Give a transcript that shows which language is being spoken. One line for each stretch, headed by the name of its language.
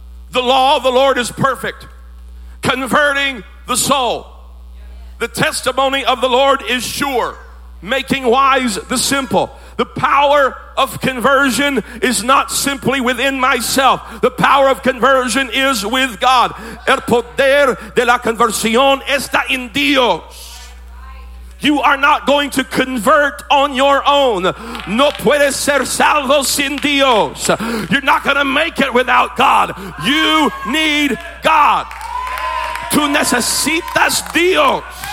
English: The law of the Lord is perfect, converting the soul. The testimony of the Lord is sure, making wise the simple. The power of conversion is not simply within myself. The power of conversion is with God.
Spanish: El poder de la conversión está en Dios.
English: You are not going to convert on your own.
Spanish: No puedes ser salvo sin Dios.
English: You're not going to make it without God. You need God.
Spanish: Tú necesitas Dios.